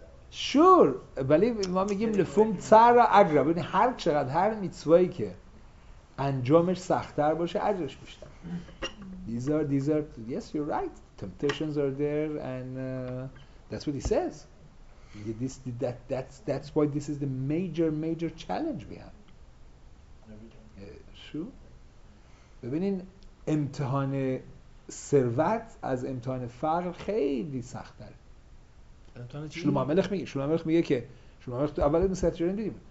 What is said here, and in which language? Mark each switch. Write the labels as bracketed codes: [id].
[fa] شور ولی ما میگیم لفوم تر را اجر ببینید هر چقدر هر میتوایی که انجامش سخت‌تر باشه اجرش بیشتر [en] these are yes you're right temptations are there and that's what he says. Yeah, this that's why this is the major challenge we have. [fa] شو ببینین امتحان ثروت از امتحان فقر خیلی سخت‌تره. امتحان چی؟ شلوم ملخ میگه که شلوم ملخ تو اول مسیحیت جریان دیدیم.